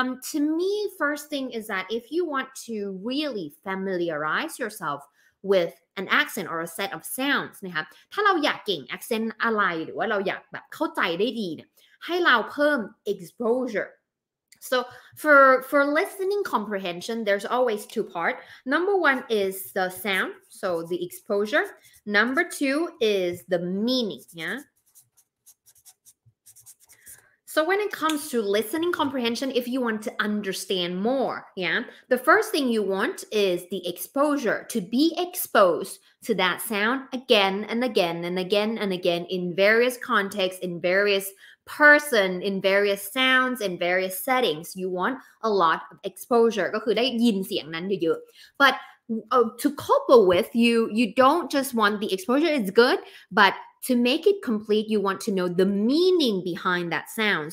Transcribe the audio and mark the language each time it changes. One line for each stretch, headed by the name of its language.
English: to me, first thing is that if you want to really familiarize yourself with an accent or a set of sounds,
Thai: นะคะถ้าเราอยากเก่ง accent อะไรหรือว่าเราอยากแบบเข้าใจได้ดีเนี่ยให้เราเพิ่ม exposure.
English: So for listening comprehension, there's always two part. Number one is the sound, so the exposure. Number two is the meaning, yeah? So when it comes to listening comprehension, if you want to understand more, yeah, the first thing you want is the exposure, to be exposed to that sound again and again and again and again in various contexts, in various person, in various sounds, in various settings. You want a lot of exposure.
Thai: ก็คือได้ยินเสียงนั้นเยอะๆ
English: But to couple with, you don't just want the exposure. It's good, but... To make it complete, you want to know the meaning behind that sound.